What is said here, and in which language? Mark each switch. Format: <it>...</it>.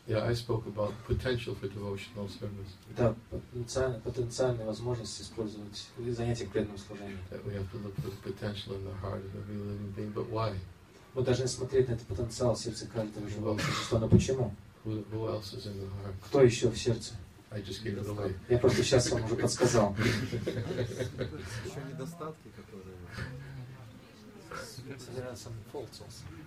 <en>Yeah, I spoke about potential for devotional service.</en> <ru>Да, потенциальная возможность использовать занятия преданного служения.</ru> <en>That we have to look for the potential in the heart of every living being, but why?</en> <ru>Мы должны смотреть на этот потенциал в сердце каждого живого существа, но почему?</ru> <en>Who else is in the heart?</en> <ru>Кто еще в сердце?</ru> <en>I just gave it away.</en> <ru>Я просто сейчас вам уже подсказал. Еще недостатки, которые...</ru> <en>There are some faults also.</en>